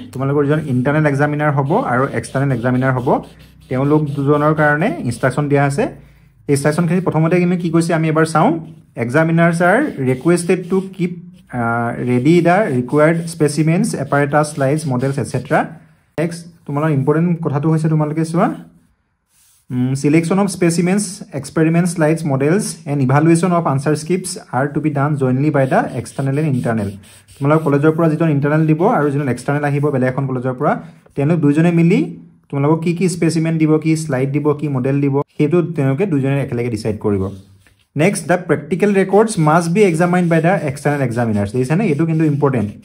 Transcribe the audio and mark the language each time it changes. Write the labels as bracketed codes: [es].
[as] তোমালোকৰ যিজন ইণ্টাৰনেল এক্সামিনাৰ হ'ব আৰু এক্সটাৰ্নেল এক্সামিনাৰ হ'ব, তেওঁলোক দুজনৰ কাৰণে ইনষ্ট্ৰাকশ্যন দিয়া আছে। এই ইনষ্ট্ৰাকশ্যনখিনি প্ৰথমতে আমি কি কৈছে আমি এবাৰ চাওঁ। [en] Examiners are requested to keep ready the required specimens, apparatus, slides, models etcetera. [as] Next তোমালোকৰ ইম্পৰ্টেণ্ট কথাটো হৈছে তোমালোকে চোৱা [en] selection of specimens, experiments, slides, models and evaluation of answer scripts are to be done jointly by the external and internal. [as] তোমালোকৰ কলেজৰ পৰা যিজন internal দিব আৰু যিজন এক্সটাৰ্নেল আহিব বেলেগ এখন কলেজৰ পৰা, তেওঁলোক দুজনে মিলি তোমালোকক কি কি স্পেচিমেন দিব, কি শ্লাইড দিব, কি মডেল দিব, সেইটো তেওঁলোকে দুজনে একেলগে ডিচাইড কৰিব। [en] next the practical records must be examine by the external examiners, [as] দেখিছানে? এইটো কিন্তু ইম্পৰ্টেণ্ট।